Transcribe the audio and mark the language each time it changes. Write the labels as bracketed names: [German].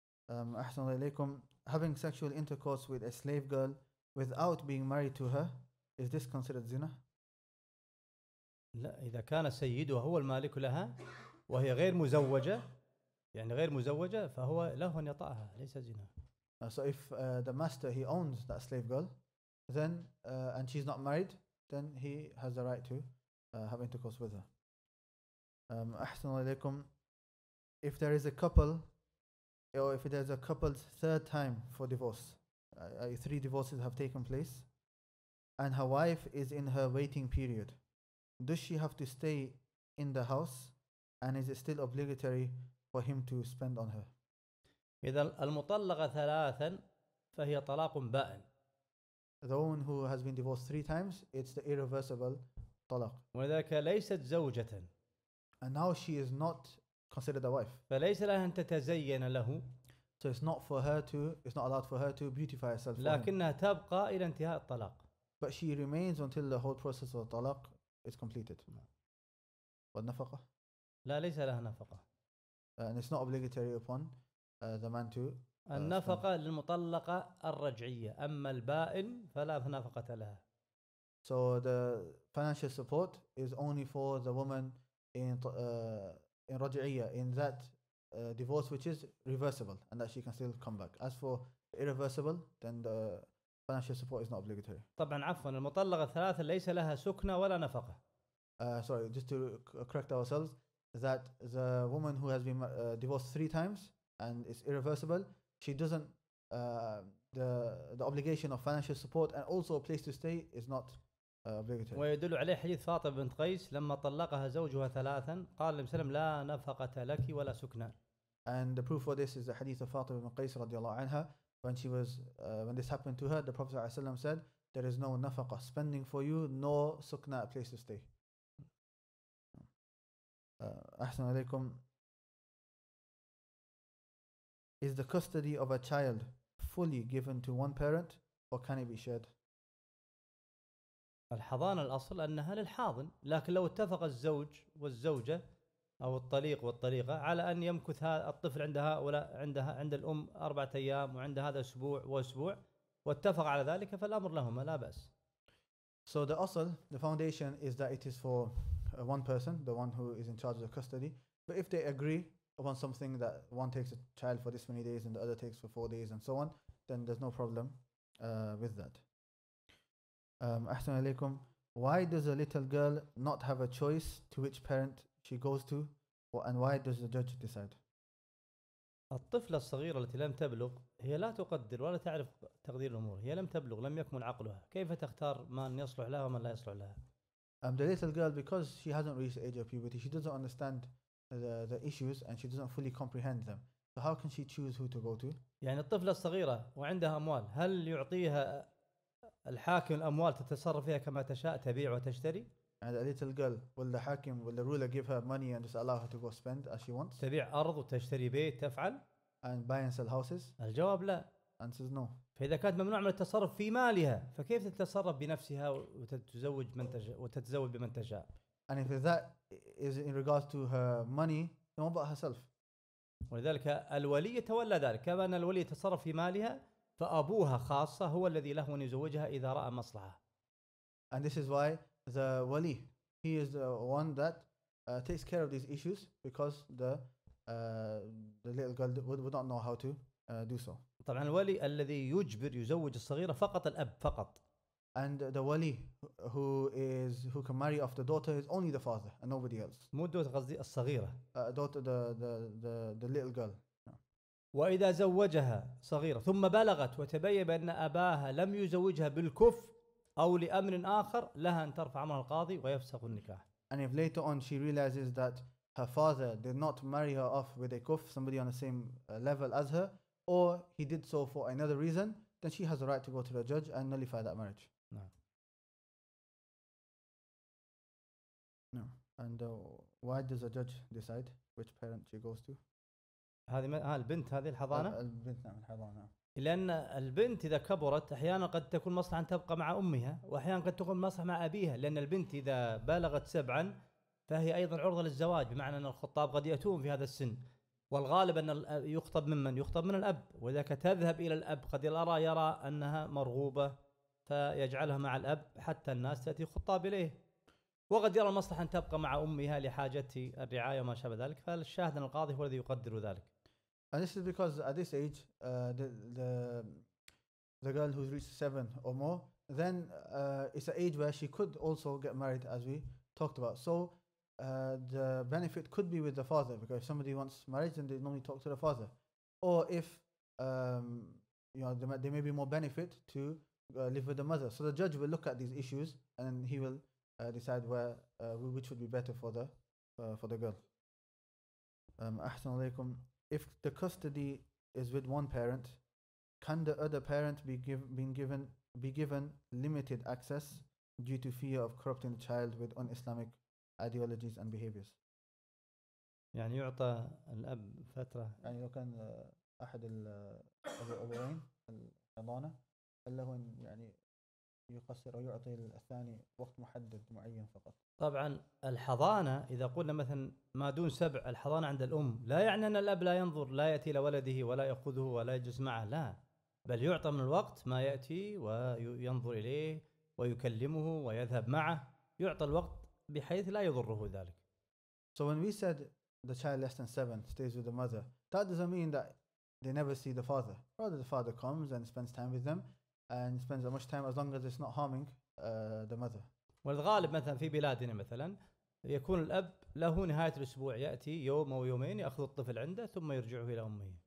[Arabic] أحسن الله إليكم. [English] Having sexual intercourse with a slave girl without being married to her, is this considered zina? [Arabic] لا إذا كان سيدها هو المالك لها وهي غير مزوجة يعني غير مزوجة فهو له أن يطأها ليس زنا. [English] So if the master he owns that slave girl, then and she's not married, then he has the right to have intercourse with her. [Arabic] أحسن الله إليكم. [English] If there is a couple, or if there is a couple's third time for divorce, three divorces have taken place, and her wife is in her waiting period, does she have to stay in the house? And is it still obligatory for him to spend on her? [Arabic] إذا المطلقة ثلاثا فهي طلاق بائن. [English] The woman who has been divorced three times, it's the irreversible طلاق. [Arabic] ولذلك ليست زوجة. [English] And now she is not considered a wife. [Arabic] فليس لها أن تتزين له. [English] So it's not for her to, it's not allowed for her to beautify herself. [Arabic] لكنها تبقى إلى انتهاء الطلاق. [English] But she remains until the whole process of the طلاق is completed. [Arabic] والنفقة. لا ليس لها نفقة. [English] And it's not obligatory upon the man to. [Arabic] النفقة [English] spend. [Arabic] للمطلقة الرجعية، أما البائن فلا نفقة لها. [English] So the financial support is only for the woman in رجعية in that divorce which is reversible and that she can still come back. As for irreversible, then the financial support is not obligatory. [Arabic] طبعاً عفواً المطلقة الثلاثة ليس لها سكنة ولا نفقة. [English] Sorry, just to correct ourselves. That the woman who has been divorced three times and is irreversible, she doesn't the obligation of financial support and also a place to stay is not obligatory. [Arabic] ويدل عليه حديث فاطمة بنت قيس لما طلقها زوجها ثلاثا قال لم سلم لا نفقة لك ولا سكنة. [English] And the proof for this is the hadith of Fatima bint Qais [Arabic] رضي الله عنها [English] when she was when this happened to her, the Prophet [Arabic] صلى الله عليه وسلم [English] said, "There is no nafaqah spending for you, nor sukna a place to stay." [Arabic] أحسن عليكم. [English] Is the custody of a child fully given to one parent or can it be shared? [Arabic] الحضانة الأصل أنها للحاضن لكن لو اتفق الزوج والزوجة أو الطليق والطليقة على أن يمكث الطفل عند هؤلاء عندها عند الأم أربعة أيام وعند هذا أسبوع وأسبوع واتفق على ذلك فالأمر لهما لا بأس. [English] So the أصل the foundation is that it is for one person, the one who is in charge of the custody. But if they agree upon something that one takes a child for this many days and the other takes for 4 days and so on, then there's no problem with that. [Arabic] أحسن عليكم. [English] Why does a little girl not have a choice to which parent she goes to, and why does the judge decide? [Arabic] الطفلة الصغيرة التي لم تبلغ هي لا تقدر ولا تعرف تقدير الأمور. هي لم تبلغ لم يكمل عقلها. كيف تختار من يصلح لها ومن لا يصلح لها؟ [English] The little girl, because she hasn't reached the age of puberty, she doesn't understand the issues and she doesn't fully comprehend them. So how can she choose who to go to? [Arabic] يعني الطفلة الصغيرة وعندها أموال هل يعطيها الحاكم الأموال تتصرف فيها كما تشاء تبيع وتشتري؟ [English] And a little girl, will the حاكم will the ruler give her money and just allow her to go spend as she wants? [Arabic] تبيع أرض وتشتري بيت تفعل؟ [English] And buy and sell houses? [Arabic] الجواب لا. [English] Answers no. [Arabic] فإذا كانت ممنوع من التصرف في مالها فكيف تتصرف بنفسها وتتزوج من تشاء وتتزوج بمن تشاء. [English] And if that is in regards to her money, then what about herself? [Arabic] ولذلك الولي يتولى ذلك كما أن الولي يتصرف في مالها فأبوها خاصة هو الذي له أن يزوجها إذا رأى مصلحة. [English] And this is why the wali he is the one that takes care of these issues because the little girl would not know how to do so. [Arabic] طبعا الولي الذي يجبر يزوج الصغيرة فقط الأب فقط. [English] and the wali who is who can marry off the daughter is only the father and nobody else. [Arabic] مو دوت غزي الصغيرة. [English] Daughter the little girl. [Arabic] وإذا زوجها صغيرة ثم بلغت وتبين بأن أباها لم يزوجها بالكف أو لأمر آخر لها أن ترفع أمر القاضي ويفسخ النكاح. [English] And if later on she realizes that her father did not marry her off with a kuf, somebody on the same level as her, or he did so for another reason, then she has the right to go to the judge and nullify that marriage. No. No. And why does the judge decide which parent she goes to? [Arabic] هذه ما البنت هذه الحضانة. البنت نعم الحضانة. لأن البنت إذا كبرت أحيانا قد تكون مصلحة أن تبقى مع أمها وأحيانا قد تكون مصلحة مع أبيها, لأن البنت إذا بلغت سبعا فهي أيضا عرضة للزواج, بمعنى أن الخطاب قد يأتون في هذا السن, والغالب أن يخطب ممن يخطب من الأب, وإذا تذهب إلى الأب قد الأرى يرى أنها مرغوبة فيجعلها مع الأب حتى الناس تأتي خطاب إليه, وقد يرى المصلحة أن تبقى مع أمها لحاجة الرعاية وما شابه ذلك, فالشاهد أن القاضي هو الذي يقدر ذلك. [English] And this is because at this age, the girl who's reached 7 or more, then it's an age where she could also get married, as we talked about. So the benefit could be with the father, because if somebody wants marriage, then they normally talk to the father. Or if you know, there may be more benefit to live with the mother. So the judge will look at these issues and he will decide where which would be better for the girl. [Arabic] أحسن عليكم. [English] If the custody is with one parent, can the other parent be given limited access due to fear of corrupting the child with un-Islamic ideologies and behaviors? [Arabic] يعني يعطى الأب فترة. يعني لو كان أحد الأبوين الحضانة له أن يعني يقصر أو يعطي الثاني وقت محدد معين فقط. طبعا الحضانة إذا قلنا مثلا ما دون 7 الحضانة عند الأم لا يعني أن الأب لا ينظر, لا يأتي لولده ولا يأخذه ولا يجلس معه, لا, بل يعطى من الوقت ما يأتي وينظر إليه ويكلمه ويذهب معه, يعطى الوقت بحيث لا يضره ذلك. [English] So when we said the child less than 7 stays with the mother, that doesn't mean that they never see the father. Rather the father comes and spends time with them and spends as much time as long as it's not harming the mother. [Arabic] والغالب مثلا في بلادنا مثلا يكون الأب له نهاية الأسبوع يأتي يوم أو يومين يأخذ الطفل عنده ثم يرجعه إلى أمه.